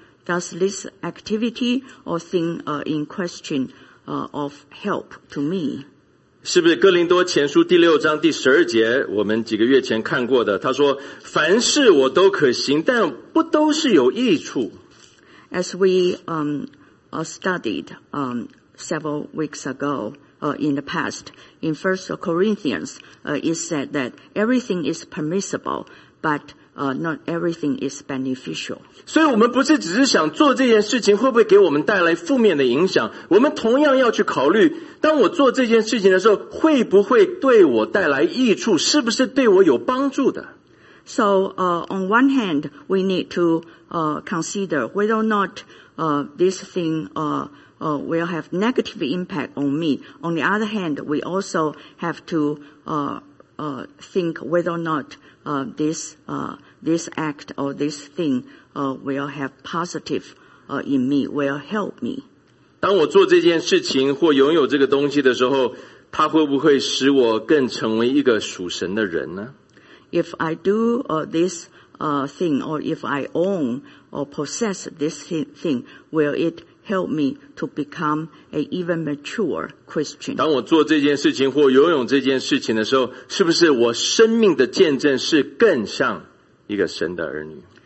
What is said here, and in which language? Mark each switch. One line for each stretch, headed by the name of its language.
English: Does this activity or thing in question of help to me?
Chinese: 是不是哥林多前书第六章第十二节我们几个月前看过的，他说凡事我都可行，但不都是有益处。
English: As we studied several weeks ago in the past, in 1 Corinthians, it said that everything is permissible, but not everything is beneficial.
Chinese: 所以我们不是只是想做这件事情会不会给我们带来负面的影响，我们同样要去考虑，当我做这件事情的时候，会不会对我带来益处，是不是对我有帮助的。
English: So, on one hand, we need to, consider whether or not, this thing, will have negative impact on me. On the other hand, we also have to, think whether or not, this act or this thing, will have positive, in me, will help me.
Chinese: 当我做这件事情或拥有这个东西的时候，它会不会使我更成为一个属神的人呢？
English: If I do this thing, or if I own or possess this thing, will it help me to become an even mature Christian?
Chinese: 当我做这件事情或游泳这件事情的时候，是不是我生命的见证是更像一个神的儿女？